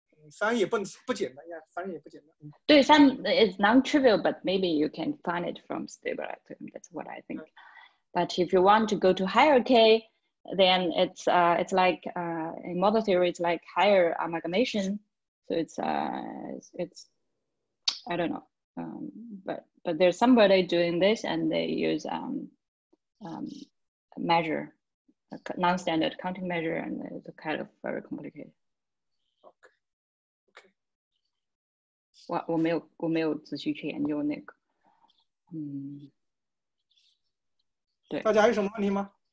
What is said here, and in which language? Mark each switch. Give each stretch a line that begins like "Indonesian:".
Chinese: 三也不简单呀，三也不简单。
English: 对，三 is non-trivial, but maybe you can find it from stabilizer theorem. That's what I think. But if you want to go to higher k, then it's like in model theory, it's like higher amalgamation. So it's I don't know. But there's somebody doing this, and they use measure, a non-standard counting measure, and it's kind of very complicated.
Chinese: 我没有仔细去研究那个，对。大家还有什么问题吗？